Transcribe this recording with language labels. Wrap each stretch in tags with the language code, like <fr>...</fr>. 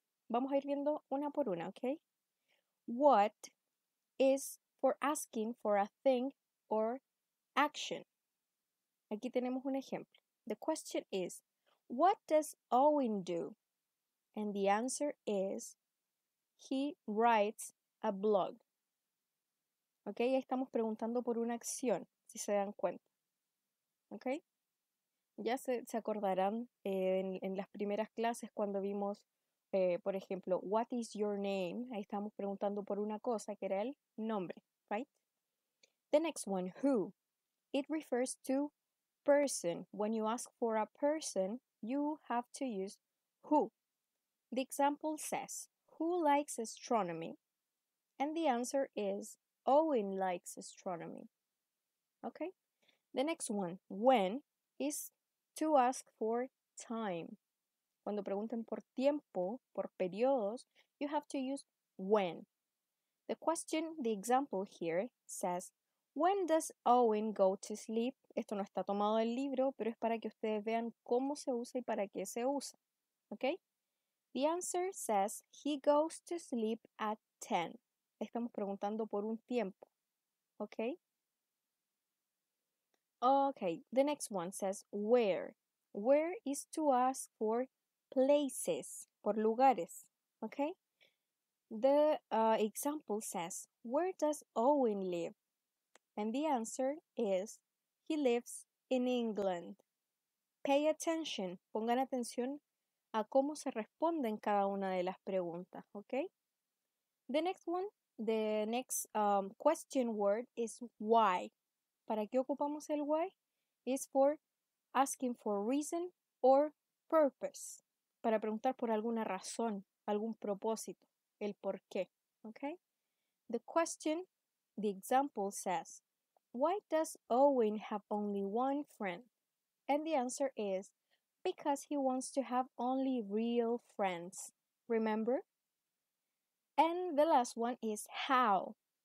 <es>Vamos a ir viendo una por una, ¿ok?</es> <en>What is for asking for a thing or action.</en> <es>Aquí tenemos un ejemplo.</es> <en>The question is, what does Owen do? And the answer is, he writes a blog.</en> <es>Ok, ya estamos preguntando por una acción, si se dan cuenta. Ok, ya se acordarán en las primeras clases cuando vimos, por ejemplo,</es> <en>what is your name?</en> <es>Ahí estamos preguntando por una cosa que era el nombre,</es> <en>right? The next one, who. It refers to person. When you ask for a person, you have to use who. The example says, who likes astronomy? And the answer is, Owen likes astronomy. Okay? The next one, when, is to ask for time.</en> <es>Cuando pregunten por tiempo, por periodos,</es> <en>you have to use when. The question, the example here, says, when does Owen go to sleep?</en> <es>Esto no está tomado del libro, pero es para que ustedes vean cómo se usa y para qué se usa.</es> <en>Okay? The answer says, he goes to sleep at 10.</en> <es>Estamos preguntando por un tiempo.</es> <en>Okay? Okay, the next one says where. Where is to ask for places,</en> <es>por lugares.</es> <en>Okay? The example says, where does Owen live? And the answer is, he lives in England. Pay attention.</en> <es>Pongan atención a cómo se responde en cada una de las preguntas.</es> <en>Okay? The next one. The next question word is why.</en> <es>¿Para qué ocupamos el why?</es> <en>Is for asking for reason or purpose.</en> <es>Para preguntar por alguna razón, algún propósito, el por qué.</es> <en>Okay? The question, the example says, why does Owen have only one friend? And the answer is, because he wants to have only real friends. Remember? And the last one is how.</en>